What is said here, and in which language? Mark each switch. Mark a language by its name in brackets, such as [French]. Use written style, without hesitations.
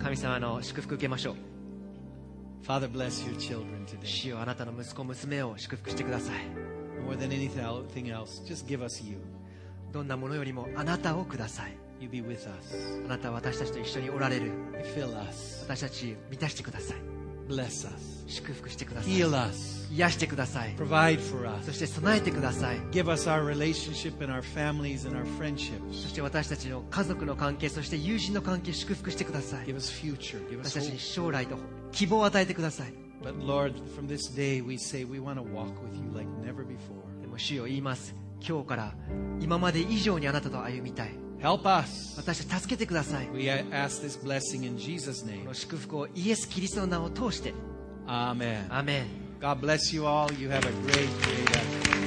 [Japanese] 神様の祝福受けましょう。 [English] Father, bless your children today. [Japanese] 主よ、あなたの息子娘を祝福してください。 [English] More than anything else, just give us you. [Japanese] どんなものよりもあなたをください。 [English] You be with us. [Japanese] あなたは私たちと一緒におられる。 [English] Fill us. [Japanese] 私たち満たしてください。 [English] Bless us. [Japanese] 祝福してください。 [English] Heal us. [Japanese] 癒してください。 [English] Provide for us. [Japanese] そして備えてください。 [English] Give us our relationship and our families and our friendships. [Japanese] そして私たちの家族の関係、そして友人の関係、祝福してください。 [English] Give us future. Give us hope. [Japanese] 私たちに将来と希望を与えてください。 [English] But Lord, from this day we say we want to walk with you like never before. [Japanese] でも主よ言います。今日から今まで以上にあなたと歩みたい。 [English] Help us. [Japanese] 私助けてください。 [English] We ask this blessing in Jesus' name. [Japanese] この祝福をイエス・キリストの名を通して。 [English] Amen. Amen. God bless you all. You have a great day.